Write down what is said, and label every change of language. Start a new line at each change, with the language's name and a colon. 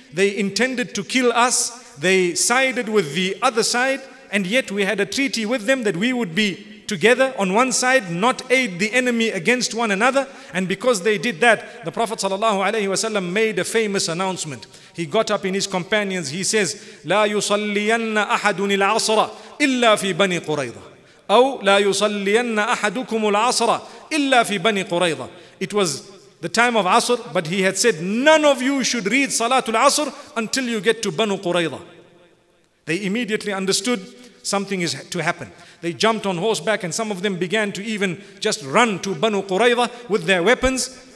English: They intended to kill us. They sided with the other side. And yet we had a treaty with them that we would be together on one side, not aid the enemy against one another. And because they did that, the Prophet sallallahu alaihi wasallam made a famous announcement. He got up in his companions. He says,
Arabic: لا يصلين أحد العصر إلا في بني قريظة. أو لا يصلين أحدكم العصر إلا في بني قريظة.
English: It was the time of Asr, but he had said, none of you should read Salatul Asr until you get to Banu Qurayza. They immediately understood something is to happen. They jumped on horseback and some of them began to even just run to Banu Qurayza with their weapons.